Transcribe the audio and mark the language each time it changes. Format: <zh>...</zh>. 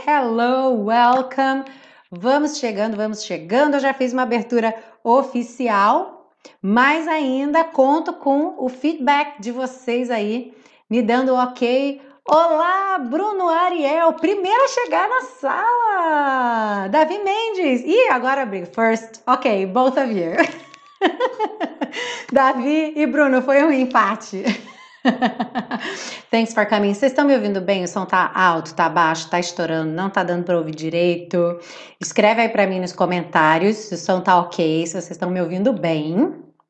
<en>Hello, welcome.</en> <pt>Vamos chegando, vamos chegando. Eu já fiz uma abertura oficial, mas ainda conto com o feedback de vocês aí me dando ok. Olá, Bruno Ariel, primeiro a chegar na sala! Davi Mendes! E agora abri,</pt> <en>first, ok, both of you.</en> <pt>Davi e Bruno, foi um empate.</pt> <en>Thanks for coming.</en> <pt>Vocês estão me ouvindo bem? O som tá alto, tá baixo, tá estourando, não tá dando para ouvir direito. Escreve aí para mim nos comentários se o som tá ok, se vocês estão me ouvindo bem.</pt>